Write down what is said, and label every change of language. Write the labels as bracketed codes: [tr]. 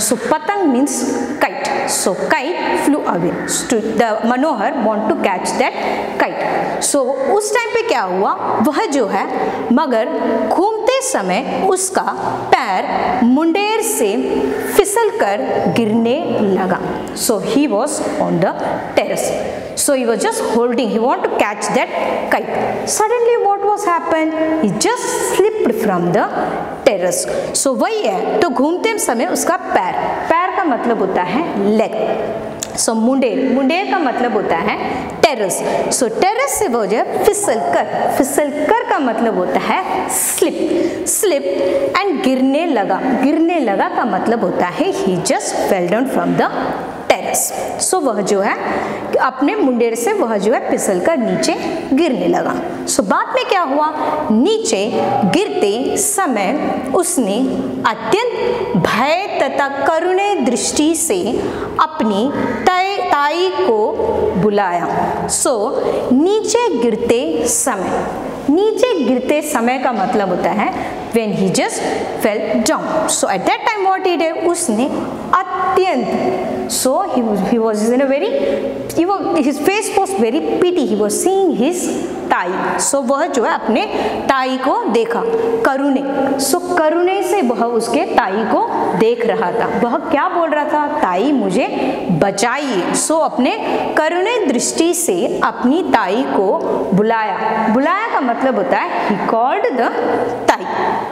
[en] So पतंग means kite. So kite flew away. The Manohar want to catch that kite. [hi] सो उस time पे क्या हुआ? वह जो है मगर घूमते समय उसका पैर मुंडेर से फिसल कर गिरने लगा. [en] So he was on the terrace. So he was just holding, he wanted to catch that kite. Suddenly what was happened? He just slipped from the terrace. [hi] So वही है. तो घूमते समय उसका पैर. पैर का मतलब होता है leg. So मुंडेर. मुंडेर का मतलब होता है terrace. So terrace जब से वो जब फिसल कर का मतलब होता है स्लिप एंड गिरने लगा का मतलब होता है [en] He just fell down from the terrace. [hi] सो वह जो है कि अपने मुंडेर से वह जो है फिसल कर नीचे गिरने लगा। सो बाद में क्या हुआ, नीचे गिरते समय उसने अत्यंत भय तथा करुणे दृष्टि से अपनी ताई को बुलाया। सो नीचे गिरते समय का मतलब होता है [en] when he just fell down. So at that time what he did, उसने अत्यंत, so he was in a very, his face was very pity, he was seeing his tai. [hi] So वह जो है अपने ताई को देखा करुणे, so करुणे से वह उसके ताई को देख रहा था। वह क्या बोल रहा था, ताई मुझे बचाइए। So अपने करुणे दृष्टि से अपनी ताई को बुलाया। बुलाया का मतलब होता है [en] he called the [hi] ताई।